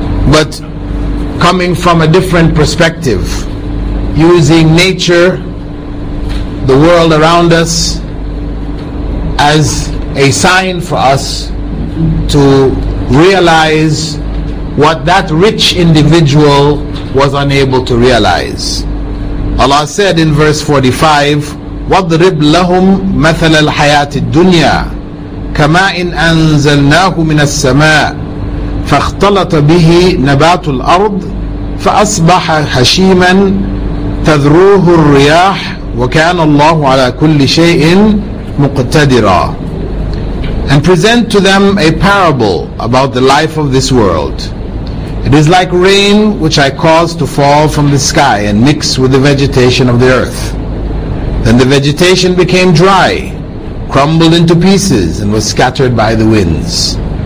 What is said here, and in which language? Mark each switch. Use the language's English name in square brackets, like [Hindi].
[English] but coming from a different perspective, using nature, the world around us, as a sign for us to realize what that rich individual was unable to realize. Allah said in verse 45, [Arabic] وَضْرِبْ لَهُمْ مَثَلَ الْحَيَاةِ الدُّنْيَا كَمَا إِنْ أَنزَلْنَاهُ مِنَ السَّمَاءِ فَاخْتَلَطَ بِهِ نَبَاتُ الْأَرْضِ فَأَصْبَحَ هَشِيمًا تَذْرُوهُ الرِّيَاحُ وَكَانَ اللَّهُ عَلَى كُلِّ شَيْءٍ مُقْتَدِرًا. [English] And present to them a parable about the life of this world. It is like rain which I cause to fall from the sky and mix with the vegetation of the earth. Then the vegetation became dry, crumbled into pieces, and was scattered by the winds.